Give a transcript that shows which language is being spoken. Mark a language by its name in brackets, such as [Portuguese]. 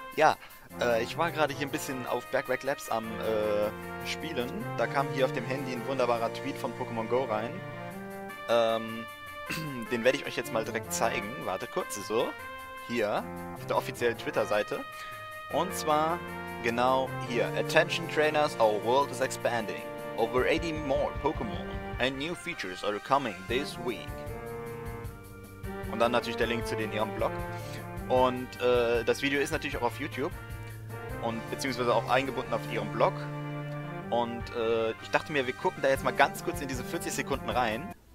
[German] Ja, ich war gerade hier ein bisschen auf Bergwerk Labs am Spielen. Da kam hier auf dem Handy ein wunderbarer Tweet von Pokémon Go rein. Den werde ich euch jetzt mal direkt zeigen. Warte kurz, so. Hier, auf der offiziellen Twitter-Seite. Und zwar genau hier. [English] Attention Trainers, our world is expanding. Over 80 more Pokémon. And new features are coming this week. [German] Und dann natürlich der Link zu den ihrem Blog. Und das Video ist natürlich auch auf YouTube. Und beziehungsweise auch eingebunden auf ihrem Blog. Und ich dachte mir, wir gucken da jetzt mal ganz kurz in diese 40 Sekunden rein.